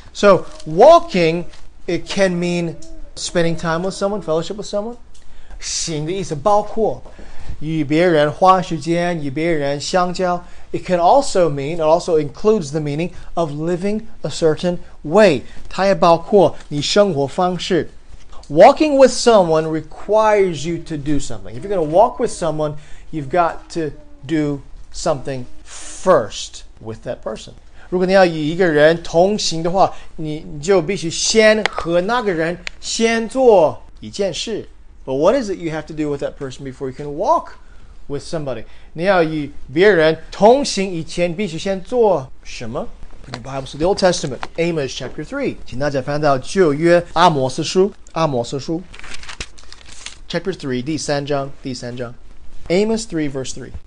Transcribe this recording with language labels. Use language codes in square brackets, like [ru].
[en] So walking, it can mean spending time with someone, fellowship with someone. [zh] 行的意思包括 与别人花时间,与别人相交. [en] It can also mean, it also includes the meaning of living a certain way. [zh] 它也包括你生活方式. [en] Walking with someone requires you to do something. If you're going to walk with someone, you've got to do something first with that person. [zh] 如果你要与一个人同行的话，你就必须先和那个人先做一件事。 [en] But what is it you have to do with that person before you can walk with somebody? [zh] 你要与别人同行以前必须先做什么？ [en] Bring your Bibles to the Old Testament, Amos chapter 3. [zh] 请大家翻到旧约阿摩斯书，阿摩斯书。 [en] Chapter 3, [zh] 第三章，第三章。 [en] Amos 3, verse 3.